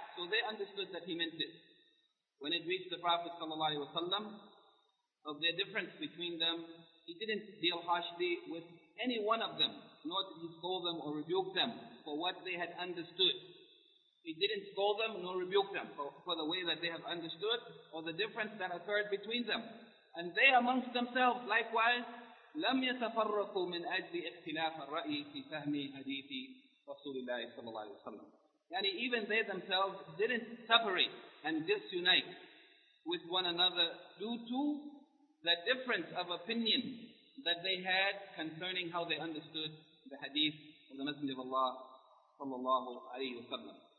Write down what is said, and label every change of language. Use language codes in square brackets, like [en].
[en] So they understood that he meant it. When it reached the Prophet ﷺ, of their difference between them, he didn't deal harshly with any one of them, nor did he scold them or rebuke them for what they had understood. He didn't scold them nor rebuke them for the way that they have understood or the difference that occurred between them. And they amongst themselves, likewise, [ar] لم يتفرقوا من أجل اختلاف الرأي في فهم حديث رسول الله صلى الله عليه وسلم. [en] And even they themselves didn't separate and disunite with one another due to the difference of opinion that they had concerning how they understood the hadith of the Messenger of Allah sallallahu alayhi wa sallam.